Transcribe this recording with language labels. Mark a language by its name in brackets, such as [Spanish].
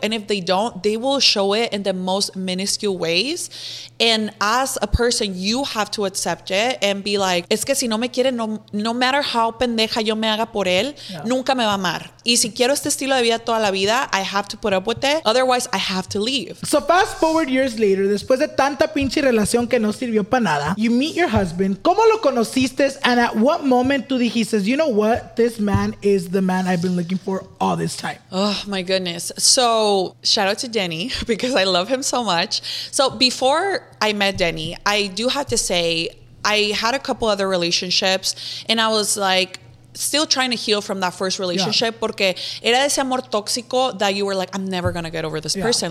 [English] And if they don't, they will show it in the most minuscule ways. And as a person, you have to accept it and be like, [Spanish] es que si no me quiere, [English] no matter how [Spanish] pendeja yo me haga por él, nunca me va a amar. Y si quiero este estilo de vida toda la vida, [English] I have to put up with it. Otherwise, I have to leave. So fast forward years later, [Spanish] después de tanta pinche relación que no sirvió para nada, [English] you meet your husband. [Spanish] ¿Cómo lo conociste? [English] And at what moment [Spanish] tú dijiste, [English] you know what? This man is the man I've been looking for all this time. Oh, my goodness. So shout out to Denny because I love him so much. So before I met Denny, I do have to say I had a couple other relationships and I was like, still trying to heal from that first relationship [Spanish] porque era ese amor tóxico [English] that you were like, I'm never going to get over this person.